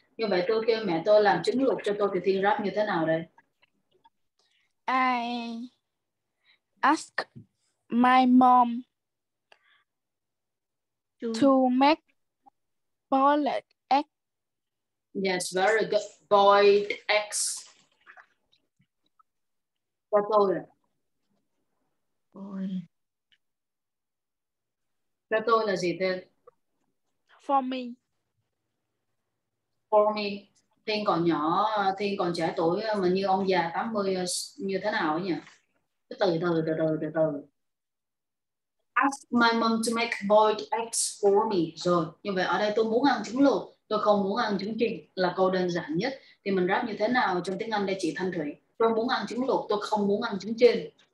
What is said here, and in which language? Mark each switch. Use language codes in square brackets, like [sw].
[vi] Như vậy tôi kêu mẹ tôi làm trứng luộc cho tôi thì Thiên rap như thế nào đây? [en] I ask my mom to make boiled egg. Yes, very good. Boiled eggs. [vi] Cho tôi. Cho tôi là gì thế? [en] For me. For me. [vi] Thiên còn nhỏ, Thiên còn trẻ tuổi mà như ông già 80 như thế nào ấy nhỉ? Từ từ. [en] Ask my mom to make boiled eggs for me. [vi] Rồi, như vậy ở đây tôi muốn ăn trứng luộc, tôi không muốn ăn trứng chiên là câu đơn giản nhất. Thì mình rap như thế nào trong tiếng Anh đây chị Thanh Thủy? Tôi muốn ăn trứng luộc, tôi không muốn ăn trứng chiên.